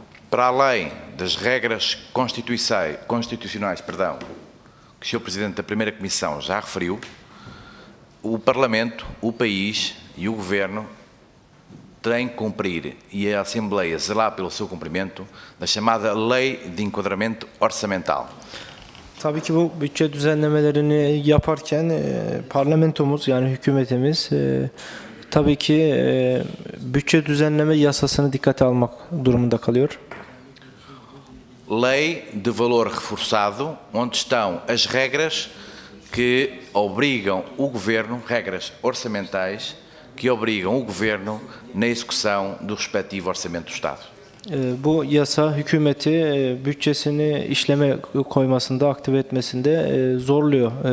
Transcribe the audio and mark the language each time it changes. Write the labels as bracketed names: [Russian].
[Portuguese] Para além das regras constitucionais, perdão, que o Sr. Presidente da Primeira Comissão já referiu, o Parlamento, o país e o Governo têm que cumprir, e a Assembleia zelar pelo seu cumprimento, da chamada Lei de Enquadramento Orçamental. [Turkish] Tabii ki bu bütçe düzenlemelerini yaparken parlamentomuz yani hükümetimiz tabii ki bütçe düzenleme yasasını dikkate almak durumunda kalıyor. [Portuguese] Lei de valor reforçado, onde estão as regras que obrigam o governo, regras orçamentais que obrigam o governo na execução do respectivo orçamento do Estado. [Turkish] Bu yasa hükümeti bütçesini işleme koymasında, aktive etmesinde zorluyor.